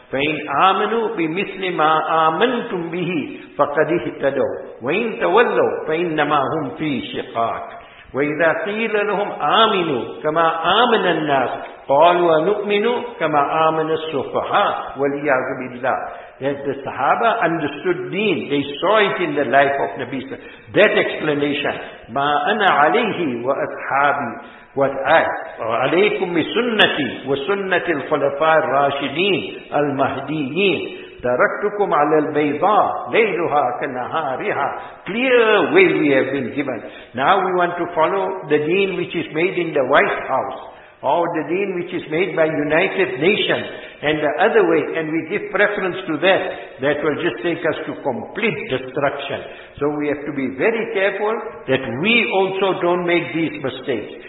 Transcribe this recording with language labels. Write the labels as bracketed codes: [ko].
[ar] فَإِنْ آمَنُوا بِمِثْلِ مَا آمَنْتُمْ بِهِ فَقَدِ اهْتَدَوْا وَإِنْ تَوَلَّوْا فَإِنَّمَا هُمْ فِي شِقَاقٍ وَإِذَا قِيلَ لَهُمْ آمِنُوا كَمَا آمَنَ النَّاسُ قَالُوا نُؤْمِنُ كَمَا آمَنَ السُّفَهَاءُ وَلِيَعْذُ بِاللَّهِ. [en] That the Sahaba understood deen. They saw it in the life of Nabi sallallahu alaihi wasallam. That explanation. [ar] مَا أَنَا عَلَيْهِ وَأَصْحَابِي. [en] What I, [ar] عليكم بسنة وسنة الخلفاء الراشدين المهديين تركتكم على البيضاء ليلها كنهارها. [en] Clear way we have been given. Now we want to follow the deen which is made in the White House, or the deen which is made by United Nations, and the other way, and we give preference to that, that will just take us to complete destruction. So we have to be very careful that we also don't make these mistakes.